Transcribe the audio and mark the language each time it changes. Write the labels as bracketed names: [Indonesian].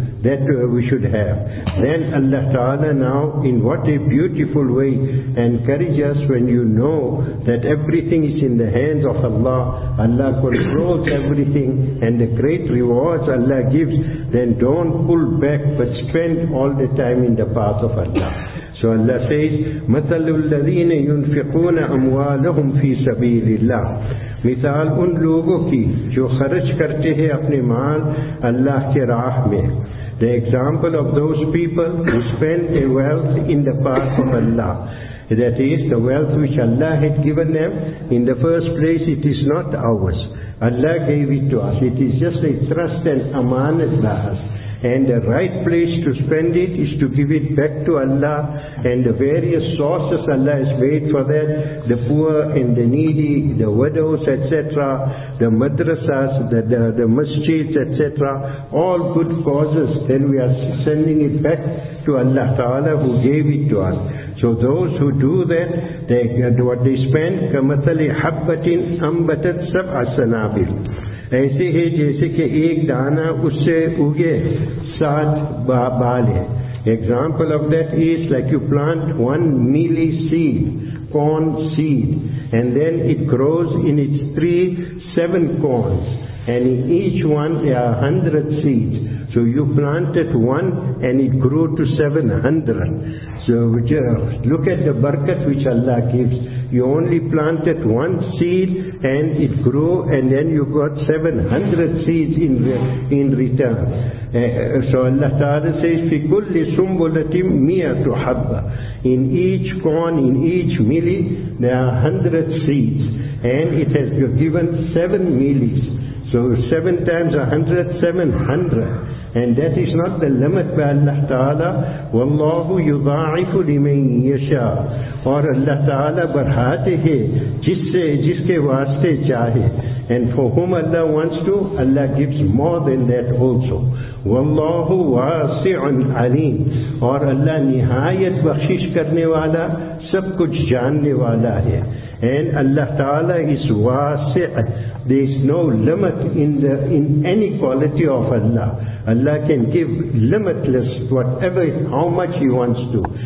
[English] That we should have. Then Allah Ta'ala now, in what a beautiful way, encourage us when you know that everything is in the hands of Allah. Allah controls everything, and the great rewards Allah gives, then don't pull back, but spend all the time in the path of Allah. So Allah says, [Arabic] مَثَلُ الَّذِينَ يُنْفِقُونَ أَمْوَالَهُمْ فِي سَبِيلِ اللَّهِ. [Urdu] مثال ان لوگوں کی جو خرچ کرتے ہیں اپنے مال اللہ کے راہ میں. [English] The example of those people who spend their wealth in the path of Allah. That is, the wealth which Allah had given them, in the first place it is not ours. Allah gave it to us. It is just a trust and amanat to us. And the right place to spend it is to give it back to Allah, and the various sources Allah has made for that, the poor and the needy, the widows, etc., the madrasas, the masjids, etc., all good causes, then we are sending it back to Allah Ta'ala who gave it to us. So those who do that, they get what they spend, [Arabic] كَمَثَلِ حَبَّةٍ أَمْبَتَتْ سَبْعَ سَنَابِلْ. [Urdu] ایسے ہے جیسے کہ ایک دانہ اس سے اگے 7 بال ہیں. [English] Example of that is like you plant 1 millet seed, corn seed, and then it grows in its 3 7 corns, and in each one there are 100 seeds. So you planted 1 and it grew to 700. So look at the barakat which Allah gives. You only planted 1 seed and it grew, and then you got 700 seeds in return. So Allah Ta'ala says, [Arabic] فِي كُلِّ سُنْبُلَةٍ 100 حَبَّةٍ. [English] In each corn, in each millet, there are 100 seeds, and it has given 7 millets. So 7 times 100, 700. And that is not the limit by Allah Ta'ala. [Arabic] وَاللَّهُ يُضَاعِفُ لِمَنْ يَشَاءُ. [Urdu] اور اللہ تعالیٰ برہاتے ہیں جس کے واسطے چاہے. [English] And for whom Allah wants to, Allah gives more than that also. [Arabic] وَاللَّهُ وَاسِعٌ عَلِيمٌ. [Urdu] اور اللہ نہایت بخشش کرنے والا, سب کچھ جاننے والا ہے. [English] And Allah Ta'ala is wasi'. There is no limit in any quality of Allah. Allah can give limitless, whatever, how much He wants to.